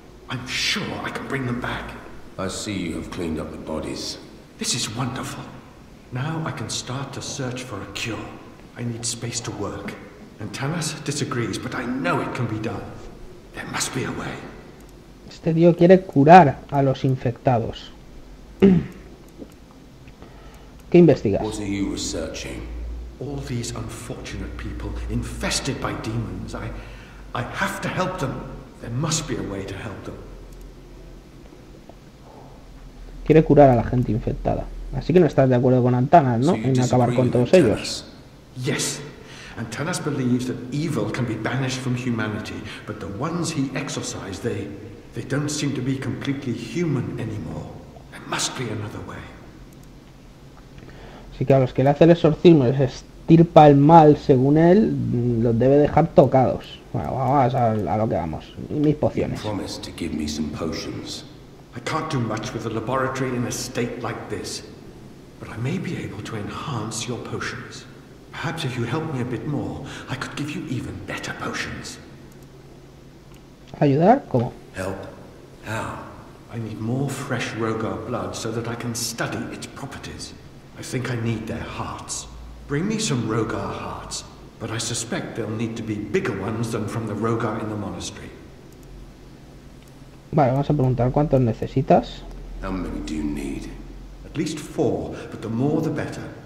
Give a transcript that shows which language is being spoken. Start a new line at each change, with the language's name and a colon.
English: I'm sure I can bring them back. I see you have cleaned up the bodies. This is wonderful. Now I can start to search for a cure. I need space to work. And Talas disagrees, but I know it can be done. There must be a way.
Spanish: Este tío quiere curar a los infectados. ¿Qué investigas?
English: What are you researching? All these unfortunate people infested by demons. I have to help them. There must be a way to help them.
Spanish: Quiere curar a la gente infectada. Así que no estás de acuerdo con Antanas, ¿no?
English: So
Spanish: en acabar con todos ellos.
English: Yes. Antanas believes that evil can be banished from humanity, but the ones he exorcised, they don't seem to be completely human anymore. There must be another way.
Spanish: Así que a los que le hace el exorcismo les estirpa el mal, según él, los debe dejar tocados. Bueno, vamos a lo que vamos. Y mis pociones.
English: You promised to give me some potions. I can't do much with a laboratory in a state like this, but I may be able to enhance your potions. Perhaps if you help me a bit more, I could give you even better potions.
Spanish: ¿Ayudar? ¿Cómo?
English: Help. How? I need more fresh Rogar blood so that I can study its properties. I think I need their hearts. Bring me some Rogar hearts, but I suspect they'll need to be bigger ones than from the Rogar in the monastery.
Spanish: Vale, vamos a preguntar cuántos necesitas.
English: How many do you need? At least 4, but the more the better.